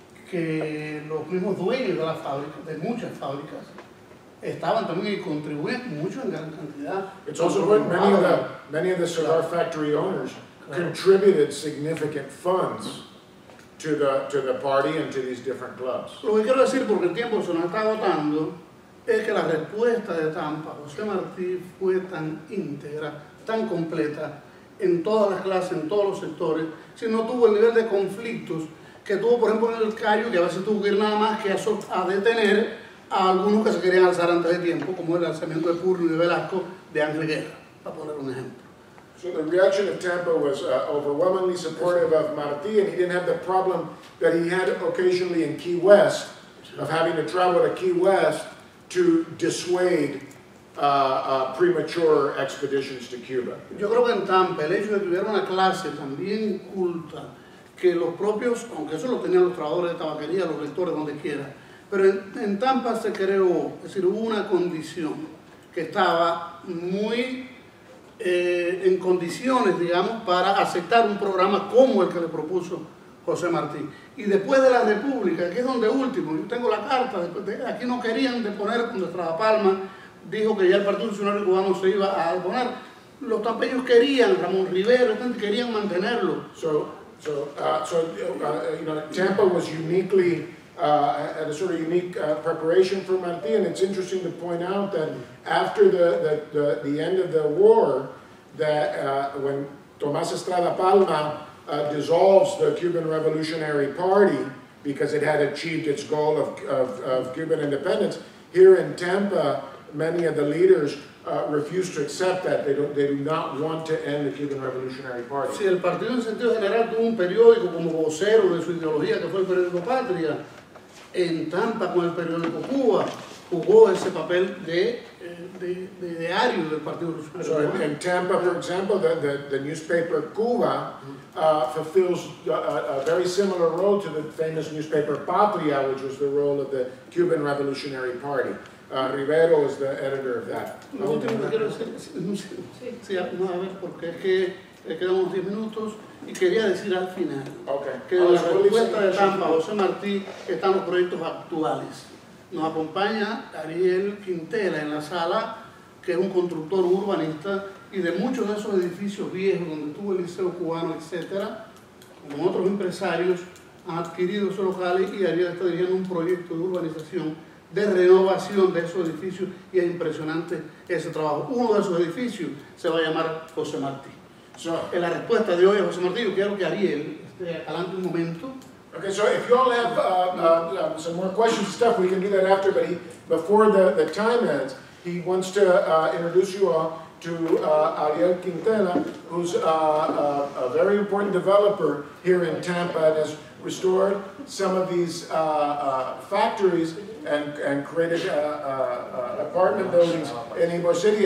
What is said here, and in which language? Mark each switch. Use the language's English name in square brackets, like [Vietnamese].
[Spanish] Que los mismos dueños de la fábrica, de muchas fábricas, estaban también y contribuían mucho en gran cantidad. [English] It's also what many of the cigar claro. factory owners claro. contributed significant funds to the party and to these different clubs. [Spanish] Lo que quiero decir, porque el tiempo se nos está agotando, es que la respuesta de Tampa, José Martí, fue tan íntegra, tan completa, en todas las clases, en todos los sectores, si no tuvo el nivel de conflictos que tuvo, por ejemplo, en el Cayo, que a veces tuvo que ir nada más que a detener a algunos que se querían alzar antes de tiempo, como el alzamiento de Purno y de Velasco, de Ángel Guerra, para poner un ejemplo. [English] So the reaction of Tampa was overwhelmingly supportive of Martí, and he didn't have the problem that he had occasionally in Key West of having to travel to Key West to dissuade premature expeditions to Cuba. [Spanish] Yo creo que en Tampa el hecho de tener una clase también culta que los propios, aunque eso lo tenían los trabajadores de tabaquería, los lectores, donde quiera, pero en Tampa se creó, es decir, hubo una condición que estaba muy en condiciones, digamos, para aceptar un programa como el que le propuso José Martí. Y después de la República, que es donde último, yo tengo la carta, aquí no querían deponer cuando Estrada Palma dijo que ya el Partido Nacional Cubano se iba a deponer. Los tampeños querían, Ramón Rivero, querían mantenerlo. [English] Tampa was uniquely, had a sort of unique preparation for Martí, and it's interesting to point out that after the end of the war, that when Tomás Estrada Palma dissolves the Cuban Revolutionary Party because it had achieved its goal of Cuban independence, here in Tampa, many of the leaders refuse to accept that. They do not want to end the Cuban Revolutionary Party. [Spanish] Si el partido en sentido general tuvo un periódico como vocero de su ideología, que fue el periódico Patria, en Tampa con el periódico Cuba, jugó ese papel de diario del Partido Revolucionario. [English] So in Tampa, for example, the newspaper Cuba fulfills a very similar role to the famous newspaper Patria, which was the role of the Cuban Revolutionary Party. Rivero is the editor of that. [Spanish] Lo último que quiero decir, no, a ver, porque es que le quedamos 10 minutos y quería decir al final que la respuesta de Tampa, José Martí, están los proyectos actuales. Nos acompaña Ariel Quintela en la sala, que es un constructor urbanista, y de muchos de esos edificios viejos donde tuvo el Liceo Cubano, etcétera, con otros empresarios, han adquirido esos locales y Ariel está dirigiendo un proyecto de urbanización, de renovación de esos edificios, y es impresionante ese trabajo. Uno de esos edificios se va a llamar José Martí. So, en la respuesta de hoy a José Martí, yo quiero que Ariel esté adelante un momento. [English] Okay, so if you all have some more questions and stuff, we can do that after, but before the time ends, he wants to introduce you all to Ariel Quintela, who's a very important developer here in Tampa and has restored some of these factories and created apartment buildings in Ybor City.